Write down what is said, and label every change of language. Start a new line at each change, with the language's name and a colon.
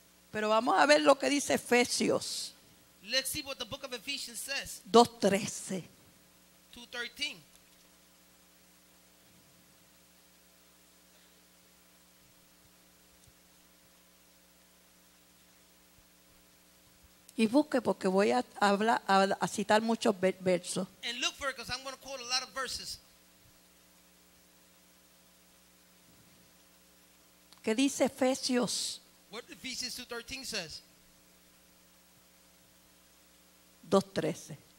Spanish: Pero vamos a ver lo que dice Efesios.
English: Let's see what the book of Ephesians says.
Spanish: 2:13. Y busque porque voy a hablar a citar muchos versos.
English: And look for it because I'm going to quote a lot of verses.
Spanish: ¿Qué dice Efesios?
English: What Ephesians 2:13 says? 2:13.